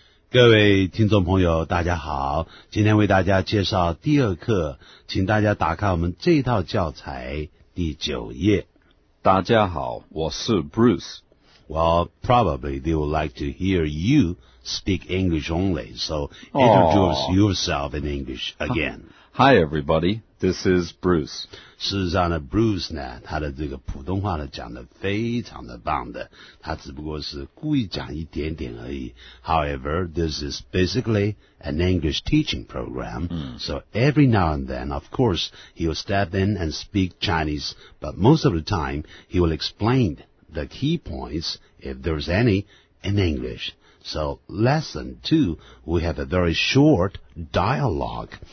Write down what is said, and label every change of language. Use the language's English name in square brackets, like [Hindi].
[Chinese] 各位听众朋友，大家好，今天为大家介绍第二课，请大家打开我们这套教材第九页。大家好，我是 Bruce。 [English] Well, probably they would like to hear you speak English only, so introduce yourself in English again. Hi, everybody. This is Bruce. [Chinese] 事实上呢 ,Bruce 呢他的这个普通话呢讲得非常的棒的。他只不过是故意讲一点点而已。 [English] However, this is basically an English teaching program.、Mm. So every now and then, of course, he will step in and speak Chinese, but most of the time, he will explain the key points, if there's any, in English. So, lesson two, we have a very short dialogue.